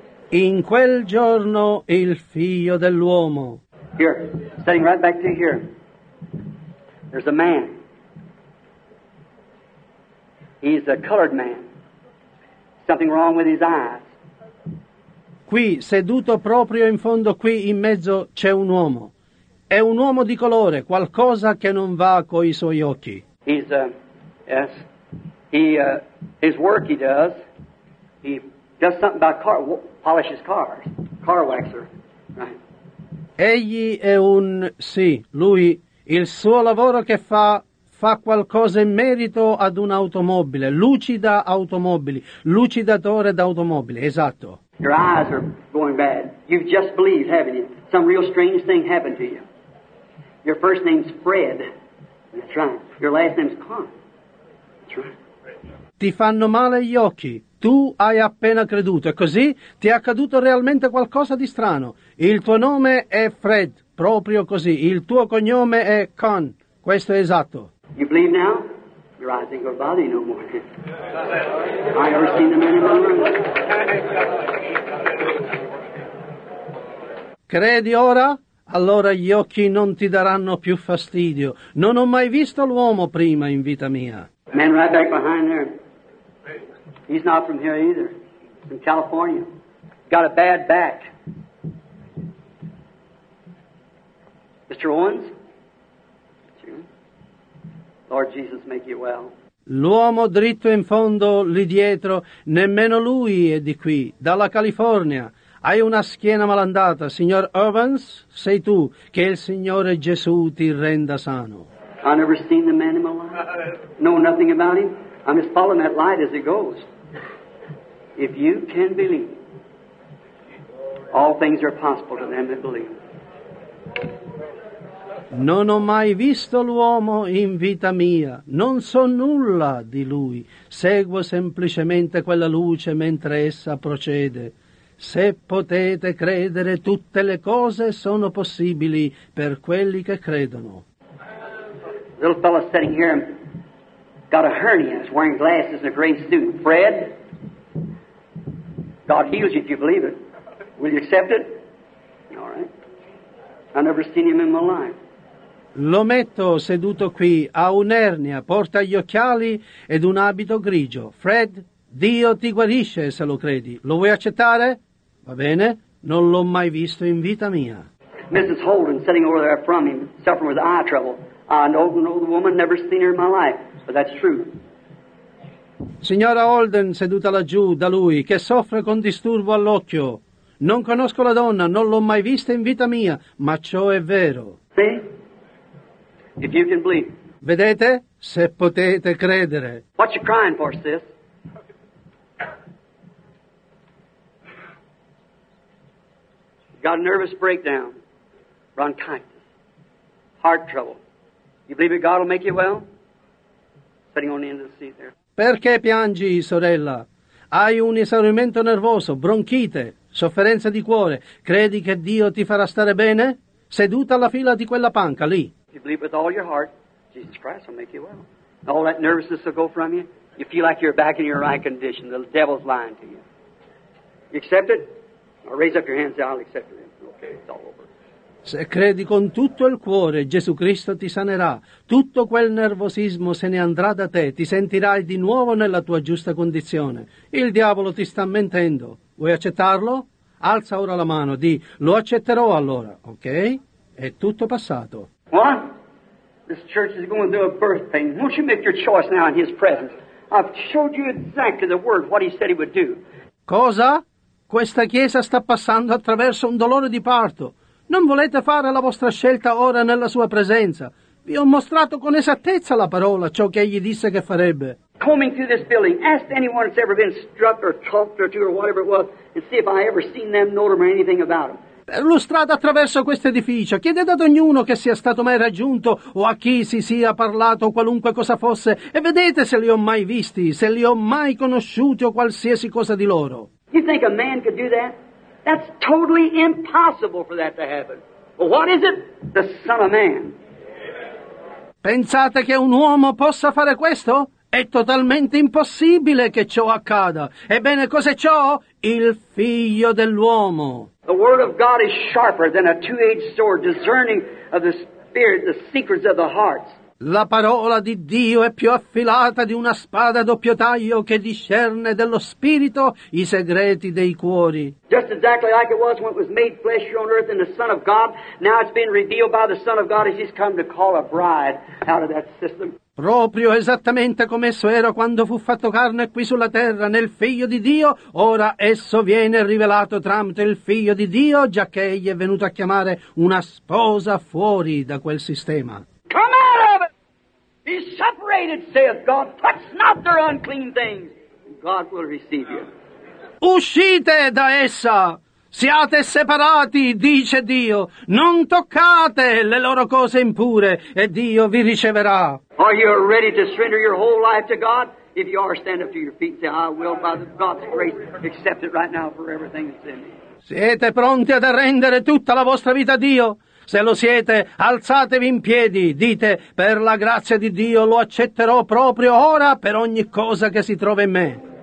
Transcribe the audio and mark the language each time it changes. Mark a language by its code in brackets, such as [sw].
[it] In quel giorno il figlio dell'uomo. [en] Here, sitting right back to here. There's a man. He's a colored man. Something wrong with his eyes. [it] Qui, seduto proprio in fondo qui in mezzo, c'è un uomo. È un uomo di colore, qualcosa che non va coi suoi occhi. [en] He's yes. His work he does. He does something about car, polishes cars, car waxer, right? [it] Egli è un, sì, lui, il suo lavoro che fa, fa qualcosa in merito ad un'automobile, lucida automobili, lucidatore d'automobili, esatto. [en] Your eyes are going bad. You've just believed, haven't you? Some real strange thing happened to you. Your first name's Fred. That's right. Your last name's Con. That's right. [it] Ti fanno male gli occhi. Tu hai appena creduto. E così ti è accaduto realmente qualcosa di strano. Il tuo nome è Fred. Proprio così. Il tuo cognome è Con. Questo è esatto. [en] You believe now? Your eyes ain't gonna bother you no more. I ever seen the man in my room? [it] Credi ora? Allora gli occhi non ti daranno più fastidio. Non ho mai visto l'uomo prima in vita mia. [en] Man right back behind there. He's not from here either. He's from California. Got a bad back. Mr. Owens? Lord Jesus, make you well. [it] L'uomo dritto in fondo, lì dietro, nemmeno lui è di qui, dalla California. Hai una schiena malandata, signor Evans, sei tu, che il Signore Gesù ti renda sano. [en] I've never seen the man in my life. Know nothing about him. I'm just following that light as it goes. If you can believe, all things are possible to them that believe. [it] Non ho mai visto l'uomo in vita mia, non so nulla di lui, seguo semplicemente quella luce mentre essa procede. Se potete credere, tutte le cose sono possibili per quelli che credono. [en] Little fella sitting here got a hernia, is wearing glasses and a gray suit. Fred? God heals you if you believe it. Will you accept it? All right. I've never seen him in my life. [it] Lo metto seduto qui, ha un'ernia, porta gli occhiali ed un abito grigio. Fred, Dio ti guarisce se lo credi. Lo vuoi accettare? Va bene, non l'ho mai visto in vita mia. [en] Mrs. Holden, sitting over there from him, suffering with eye trouble. I know the woman, never seen her in my life, but that's true. [it] Signora Holden, seduta laggiù da lui, che soffre con disturbo all'occhio. Non conosco la donna, non l'ho mai vista in vita mia, ma ciò è vero. Sì? [en] If you can believe. [it] Vedete? Se potete credere. [en] What you crying for, sis? Got a nervous breakdown. Bronchitis. Heart trouble. You believe that God will make you well? Sitting on the end of the seat there. [it] Perché piangi, sorella? Hai un esaurimento nervoso, bronchite, sofferenza di cuore. Credi che Dio ti farà stare bene? Seduta alla fila di quella panca, lì. [en] You believe with all your heart, Jesus Christ will make you well. All that nervousness will go from you. You feel like you're back in your right condition. The devil's lying to you. You accept it? Or raise up your hands and say, I'll accept it. Okay, it's all over. [it] Se credi con tutto il cuore, Gesù Cristo ti sanerà. Tutto quel nervosismo se ne andrà da te. Ti sentirai di nuovo nella tua giusta condizione. Il diavolo ti sta mentendo. Vuoi accettarlo? Alza ora la mano. Di, lo accetterò allora. Ok? È tutto passato. [en] What? This church is going through a birth pain. Won't you make your choice now in his presence? I've showed you exactly the word, what he said he would do. [it] Cosa? Questa chiesa sta passando attraverso un dolore di parto. Non volete fare la vostra scelta ora nella sua presenza? Vi ho mostrato con esattezza la parola ciò che egli disse che farebbe. [en] Coming through this building, ask anyone that's ever been struck or talked or to or whatever it was, and see if I ever seen them, know them or anything about them. [it] Per lo strada attraverso questo edificio, chiedete ad ognuno che sia stato mai raggiunto o a chi si sia parlato qualunque cosa fosse e vedete se li ho mai visti, se li ho mai conosciuti o qualsiasi cosa di loro. [en] You think a man could do that? That's totally impossible for that to happen. But what is it? The Son of Man. [it] Pensate che un uomo possa fare questo? È totalmente impossibile che ciò accada. Ebbene, cos'è ciò? Il Figlio dell'uomo. [en] The word of God is sharper than a two-edged sword, discerning of the spirit, the secrets of the hearts. [it] La parola di Dio è più affilata di una spada a doppio taglio che discerne dello spirito i segreti dei cuori. [en] Just exactly like it was when it was made flesh here on earth in the Son of God, now it's been revealed by the Son of God as he's come to call a bride out of that system. [it] Proprio esattamente come esso era quando fu fatto carne qui sulla terra nel Figlio di Dio, ora esso viene rivelato tramite il Figlio di Dio, giacché egli è venuto a chiamare una sposa fuori da quel sistema. [en] Come out of it! Be separated, saith God, touch not their unclean things, God will receive you. [it] Uscite da essa! Siate separati, dice Dio. Non toccate le loro cose impure, e Dio vi riceverà. [en] Are you ready to surrender your whole life to God? If you are, stand up to your feet and say, I will, by God's grace, accept it right now for everything that's in me. [it] Siete pronti ad arrendere tutta la vostra vita a Dio? Se lo siete, alzatevi in piedi, dite, per la grazia di Dio lo accetterò proprio ora per ogni cosa che si trova in me.